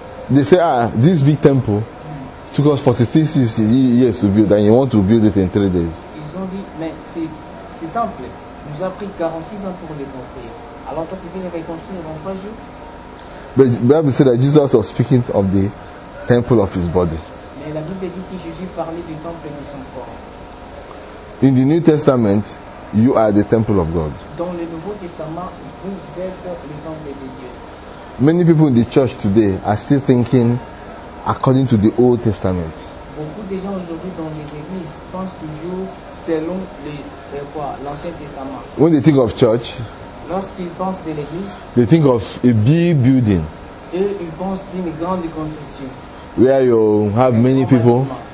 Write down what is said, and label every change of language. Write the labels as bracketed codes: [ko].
[en] They say, this big temple took us 46 years to build, and you want to build it in 3 days. [fr] Ils ont dit, mais ce temple nous a pris 46 ans pour le construire. Alors toi, tu viens le reconstruire en 3 jours? [en] But the Bible said that Jesus was speaking of the temple of his body. [fr] Mais la Bible dit que Jésus parlait du temple de son corps. [en] In the New Testament, you are the temple of God. [fr] Dans le Nouveau Testament, vous êtes le temple de Dieu. [en] Many people in the church today are still thinking according to the Old Testament. [fr] Beaucoup de gens aujourd'hui dans les églises pensent toujours selon l'Ancien Testament. [en] When they think of church, [fr] lorsqu'ils pensent de l'église, [en] they think of a big building. [fr] Et ils pensent d'une grande construction. [en] Where you have many people.